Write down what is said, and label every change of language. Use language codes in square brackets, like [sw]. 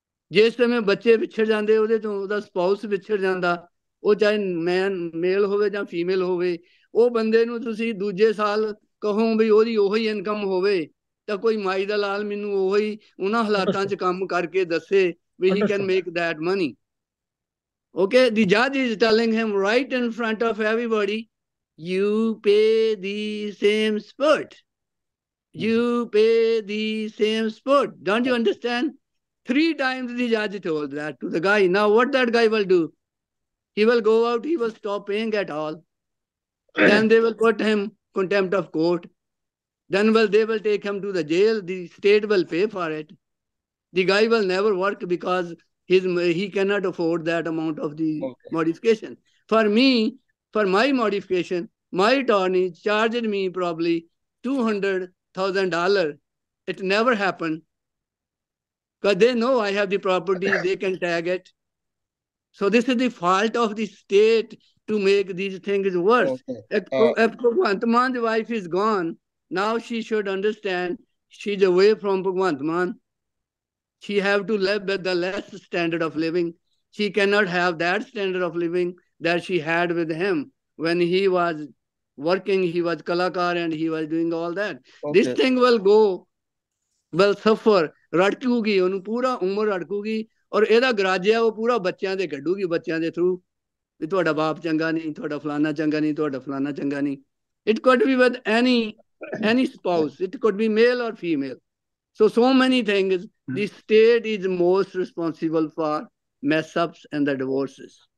[pa] ਜਿਸ ਸਮੇਂ ਬੱਚੇ ਵਿਛੜ ਜਾਂਦੇ ਉਹਦੇ ਤੋਂ, ਉਹਦਾ ਸਪਾਊਸ ਵਿਛੜ ਜਾਂਦਾ, ਉਹ ਚਾਹੇ ਮੈਨ ਮੇਲ ਹੋਵੇ ਜਾਂ ਫੀਮੇਲ ਹੋਵੇ, ਉਹ ਬੰਦੇ ਨੂੰ ਤੁਸੀਂ ਦੂਜੇ ਸਾਲ ਕਹੋ ਵੀ ਉਹਦੀ ਉਹ ਹੀ ਇਨਕਮ ਹੋਵੇ, ਤਾਂ ਕੋਈ ਮਾਈ ਦਾ ਲਾਲ ਮੈਨੂੰ ਉਹ ਹੀ ਉਹਨਾਂ ਹਾਲਾਤਾਂ 'ਚ ਕੰਮ ਕਰਕੇ ਦੱਸੇ ਵੀ [en] He can make that money. Okay, ਦੀ ਜੱਜ is telling him right in front of everybody, you pay the same spot, you pay the same spot, don't you understand? 3 times the judge told that to the guy. Now what that guy will do? He will go out, he will stop paying at all. Then they will put him contempt of court. Then they will take him to the jail. The state will pay for it. The guy will never work because he cannot afford that amount of the modification. For me, for my modification, my attorney charged me probably $200,000. It never happened. But they know I have the property, they can tag it. So this is the fault of the state to make these things worse. If Bhagwant Mann's wife is gone, now she should understand she's away from Bhagwant Mann. She have to live with the less standard of living. She cannot have that standard of living that she had with him when he was working, he was kalakar and he was doing all that. Okay. This thing will go, will suffer. [pa] ਰੜਕੂਗੀ ਉਹਨੂੰ, ਪੂਰਾ ਉਮਰ ਰੜਕੂਗੀ, ਔਰ ਇਹਦਾ garage ਆ ਉਹ ਪੂਰਾ ਬੱਚਿਆਂ ਦੇ ਕੱਢੂਗੀ, ਬੱਚਿਆਂ ਦੇ ਥਰੂ ਵੀ ਤੁਹਾਡਾ ਬਾਪ ਚੰਗਾ ਨਹੀਂ, ਤੁਹਾਡਾ ਫਲਾਨਾ ਚੰਗਾ ਨਹੀਂ, ਤੁਹਾਡਾ ਫਲਾਨਾ ਚੰਗਾ ਨਹੀਂ। [en] It could be with any any spouse, it could be male or female. So many things, the state is most responsible for mess ups and the divorces.